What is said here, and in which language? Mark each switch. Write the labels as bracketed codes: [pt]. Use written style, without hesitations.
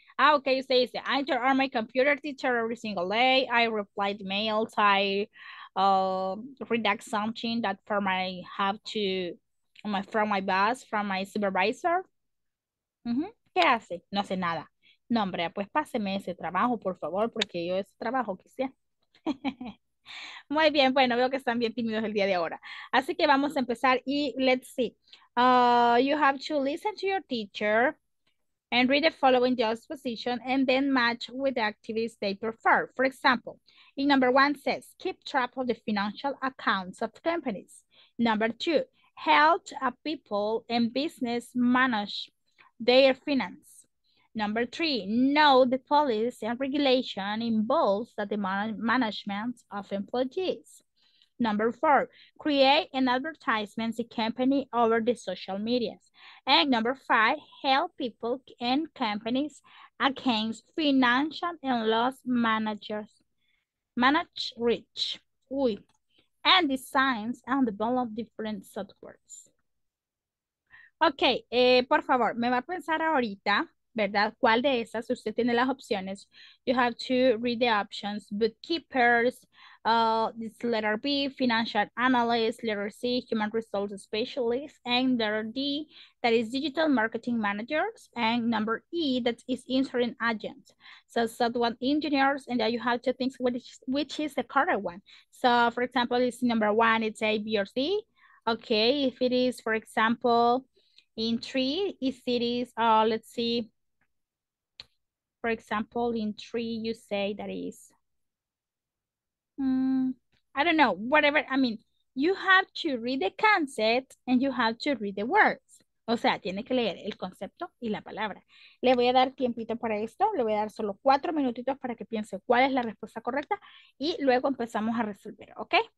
[en] Ah, ok, [es] usted dice, [en] I turn on my computer teacher every single day, I reply to mails, I redact something that from I have to, from my boss, from my supervisor. Uh-huh. [es] ¿Qué hace? No hace nada. No, hombre, pues páseme ese trabajo, por favor, porque yo ese trabajo quisiera. Muy bien, bueno, veo que están bien tímidos el día de ahora. Así que vamos a empezar y [en] let's see. You have to listen to your teacher and read the following job position and then match with the activities they prefer. For example, in number one says, keep track of the financial accounts of companies. Number two, help people and business manage their finance. Number three, know the policy and regulation involves that the management of employees. Number four, create an advertisement the company over the social medias. And number five, help people and companies against financial and loss managers, manage reach, and designs and develop different softwares. [es] Okay, por favor, me va a pensar ahorita. ¿Verdad? ¿Cuál de esas? Usted tiene las opciones. [en] You have to read the options. Bookkeepers, this letter B, financial analyst, letter C, human resource specialist, and letter D, that is digital marketing managers, and number E, that is insurance agent. So, so one engineers, and then you have to think which is the correct one. So, for example, it's number one, it's A, B, or C. Okay, if it is, for example, in three, if it is, let's see, for example, in three, you say that is, I don't know, whatever. I mean, you have to read the concept and you have to read the words. [es] O sea, tiene que leer el concepto y la palabra. Le voy a dar tiempito para esto. Le voy a dar solo 4 minutitos para que piense cuál es la respuesta correcta y luego empezamos a resolver, ¿ok?